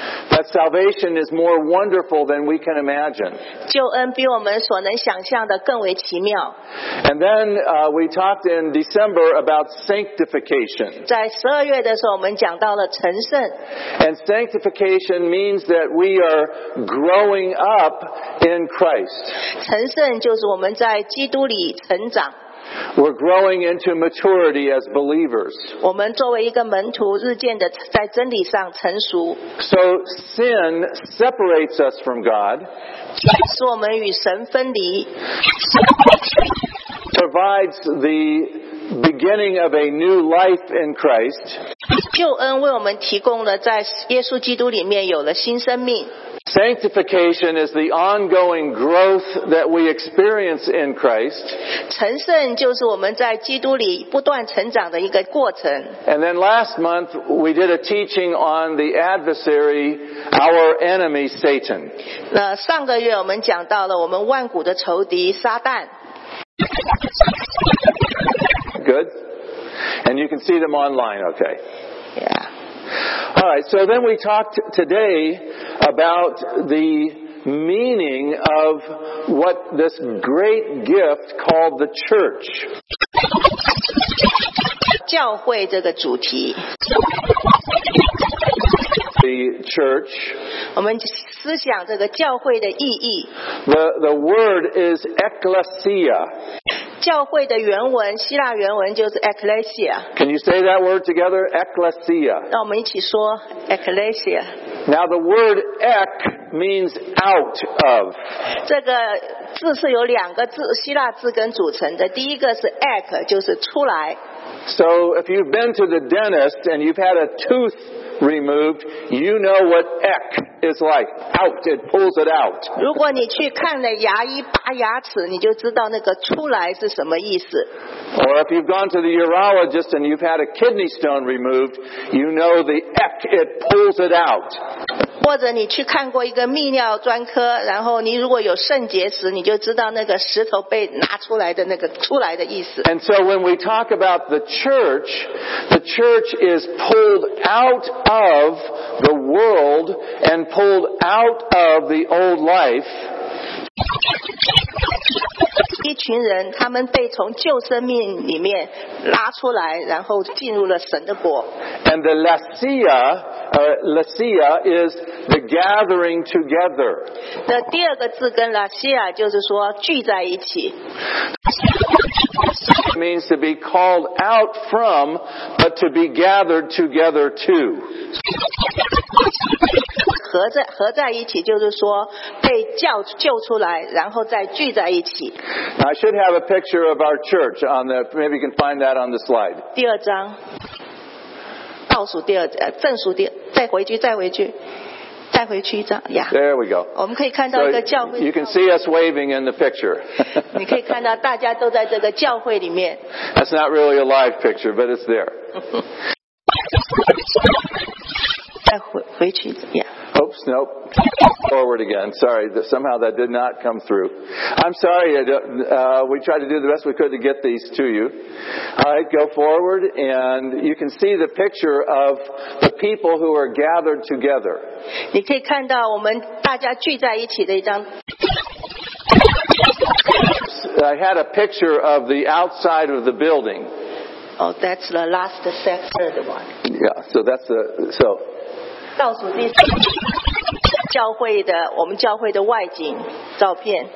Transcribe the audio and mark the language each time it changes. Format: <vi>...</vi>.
<en>That salvation is more wonderful than we can imagine.</en> <zh>救恩比我们所能想象的更为奇妙。</zh> <en>And then we talked in December about sanctification.</en> <zh>在十二月的时候，我们讲到了成圣。</zh> <en>And sanctification means that we are growing up in Christ.</en> <zh>成圣就是我们在基督里成长。</zh> <en>We're growing into maturity as believers.</en> <zh>我们作为一个门徒，日渐的在真理上成熟。</zh> <en>So sin separates us from God.</en> <zh>使我们与神分离。</zh> <en>Provides the beginning of a new life in Christ.</en> <zh>救恩为我们提供了在耶稣基督里面有了新生命。</zh> <en>Sanctification is the ongoing growth that we experience in Christ.</en> <zh>成圣就是我们在基督里不断成长的一个过程。</zh> <en>And then last month we did a teaching on the adversary, our enemy Satan.</en> <zh>那上个月我们讲到了我们万古的仇敌撒旦。</zh> <en>Good. And you can see them online, okay. Yeah. All right, so then we talked today about the meaning of what this great gift called the church.</en> <zh>教会这个主题。</zh> <en>The church.</en> <zh>我们思想这个教会的意义。</zh> <en>The word is Ekklesia.</en> <zh>教会的原文，希腊原文就是 Ekklesia.</zh> <en>Can you say that word together? Ekklesia.</en> <zh>那我们一起说 Ekklesia.</zh> <en>Now the word Ek means out of.</en> <zh>这个字是有两个字，希腊字根组成的。第一个是 Ek， 就是出来。</zh> <en>So if you've been to the dentist and you've had a tooth removed, you know what ek is like. Out, it pulls it out.</en> <zh>如果你去看了牙医拔牙齿，你就知道那个出来是什么意思。</zh> <en>Or if you've gone to the urologist and you've had a kidney stone removed, you know the ek, it pulls it out.</en> <zh>或者你去看过一个泌尿专科，然后你如果有肾结石，你就知道那个石头被拿出来的那个出来的意思。</zh> <en>And so when we talk about the church is pulled out of the world and pulled out of the old life.</en> <zh>一群人，他们被从旧生命里面拉出来，然后进入了神的国。</zh> <en>And the lasia, lasia is the gathering together.</en> <zh>那第二个字跟 lasia 就是说聚在一起。</zh> <en>Means to be called out from, but to be gathered together to.</en> <zh>合在一起，就是说被叫救出来，然后再聚在一起。</zh> <en>I should have a picture of our church on the. Maybe you can find that on the slide.</en> <zh>第二张，倒数第二，正数第二，再回去，再回去。带回去一张 yeah,</zh> <en>There we go.</en> <zh>我们可以看到一个教会。</zh> <en>So、you can see us waving in the picture.</en> <zh>你可以看到大家都在这个教会里面。</zh> <en>That's not really a live picture, but it's there.</en> <zh>再回去一张 yeah.</zh> <en>Oops, nope. Forward again. Sorry, somehow that did not come through. I'm sorry, we tried to do the best we could to get these to you. All right, go forward, and you can see the picture of the people who are gathered together.</en> <zh>你可以看到我们大家聚在一起的一张。</zh> <en>I had a picture of the outside of the building. Oh, that's the last, the third one. Yeah, so that's the... So,</en> <zh>倒数第三。我们教会的 外景照片。</zh>